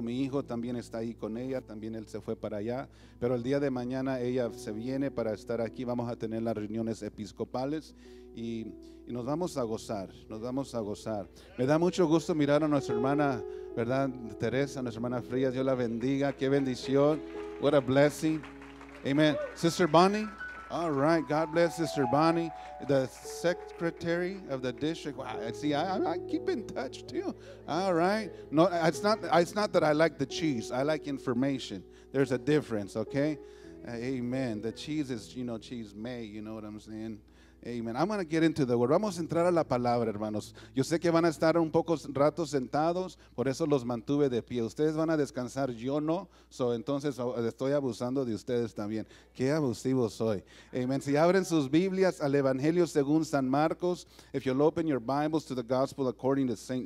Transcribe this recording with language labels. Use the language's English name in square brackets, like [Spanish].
[Spanish] Mi hijo también está ahí con ella, también él se fue para allá. Pero el día de mañana ella se viene para estar aquí, vamos a tener las reuniones episcopales y nos vamos a gozar, nos vamos a gozar. Me da mucho gusto mirar a nuestra hermana, ¿verdad? Teresa, nuestra hermana Frías, Dios la bendiga, qué bendición. [English] What a blessing. Amen. Sister Bonnie. All right, God bless Sister Bonnie, the secretary of the district. Wow, see, I keep in touch too. All right, no, it's not that I like the cheese. I like information. There's a difference, okay? Amen. The cheese is, you know, cheese may. You know what I'm saying? Amen. I'm gonna get into the word. [Spanish] Vamos a entrar a la palabra, hermanos. Yo sé que van a estar un poco rato sentados, por eso los mantuve de pie. Ustedes van a descansar, yo no. So, entonces estoy abusando de ustedes también. Qué abusivo soy. Amen. Si abren sus Biblias al Evangelio según San Marcos. [English] If you'll open your Bibles to the Gospel according to St.